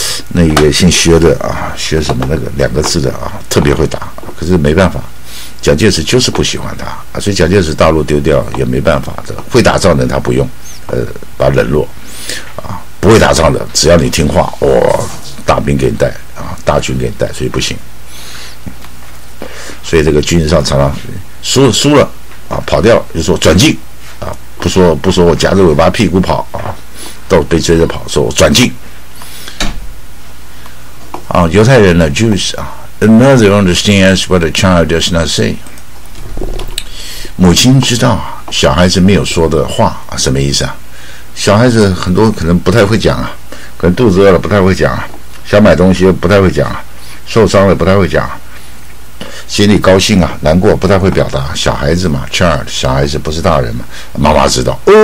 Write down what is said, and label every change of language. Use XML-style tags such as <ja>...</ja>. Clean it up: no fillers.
<zh>那一个姓薛的啊，薛什么那个两个字的啊，特别会打，可是没办法，蒋介石就是不喜欢他啊，所以蒋介石大陆丢掉也没办法的，会打仗的他不用，把他冷落啊，不会打仗的只要你听话，我、哦、大兵给你带啊，大军给你带，所以不行，所以这个军事上常常输了啊，跑掉了就说转进啊，不说我夹着尾巴屁股跑啊。都被追着跑，说我转进啊，犹太人的 Jews 啊 ，</zh> <en>Another understands what a child does not say。</en> <zh>母亲知道小孩子没有说的话啊，什么意思啊？小孩子很多可能不太会讲啊，可能肚子饿了不太会讲啊，想买东西不太会讲啊，受伤了不太会讲啊，心里高兴啊难过不太会表达，小孩子嘛 ，child 小孩子不是大人嘛，妈妈知道</zh>